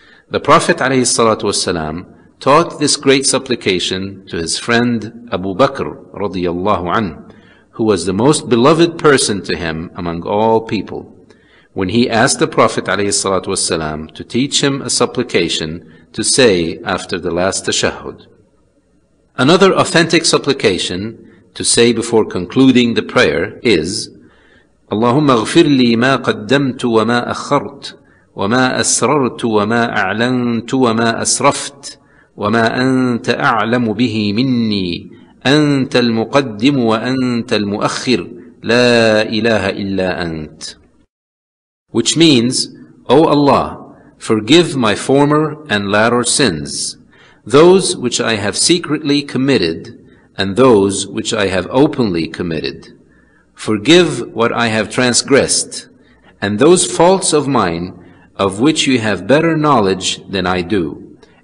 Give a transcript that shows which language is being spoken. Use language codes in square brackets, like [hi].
[en] The Prophet ﷺ taught this great supplication to his friend Abu Bakr radiyallahu anhu, who was the most beloved person to him among all people. When he asked the Prophet ﷺ to teach him a supplication to say after the last tashahhud. Another authentic supplication to say before concluding the prayer is, [ar] Allahumma ighfir li ma qaddamtu wa ma akhart, وما أسررت وما أعلنت وما أسرفت وما أنت أعلم به مني أنت المقدم وأنت المؤخر لا إله إلا أنت. [en] Which means, O Allah, forgive my former and latter sins, those which I have secretly committed and those which I have openly committed. Forgive what I have transgressed and those faults of mine of which you have better knowledge than I do.